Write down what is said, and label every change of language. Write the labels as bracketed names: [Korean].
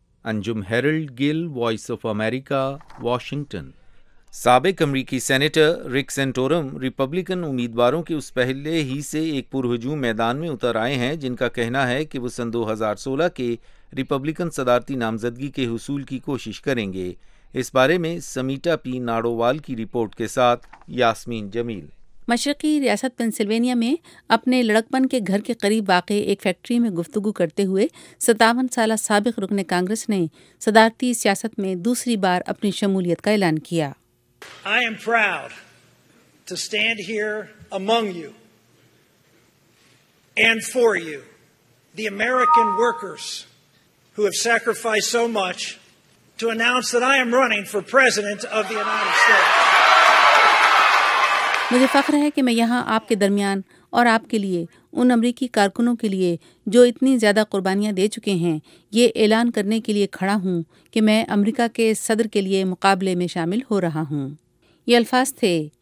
[Urdu] Anjum Herald Gul, voice of America, Washington. سابق امریکی senator رک سینٹورم ریپبلکن امیدواروں کے اس پہلے ہی سے ایک پرہجوم میدان میں اتر آئے ہیں، جن کا کہنا ہے کہ وہ سن 2016 کے ریپبلکن صدارتی نامزدگی کے حصول کی کوشش کریں گے۔ اس بارے میں سمیٹا پی ناڑووال کی رپورٹ کے ساتھ یاسمین جمیل۔ مشرقی ریاست پنسلوینیا میں اپنے لڑکپن کے گھر کے قریب واقع ایک فیکٹری میں گفتگو کرتے ہوئے 57 سالہ سابق رکن کانگریس نے صدارتی سیاست میں دوسری بار اپنی شمولیت کا اعلان کیا۔ [English] I am proud to stand here among you and for you, the American workers who have sacrificed so much, to announce that I am running for president of the United States. [Urdu] مجھے فخر ہے کہ میں یہاں آپ کے درمیان اور آپ کے لیے، ان امریکی کارکنوں کے لیے جو اتنی زیادہ قربانیاں دے چکے ہیں، یہ اعلان کرنے کے لیے کھڑا ہوں کہ میں امریکہ کے صدر کے لیے مقابلے میں شامل ہو رہا ہوں۔ یہ الفاظ تھے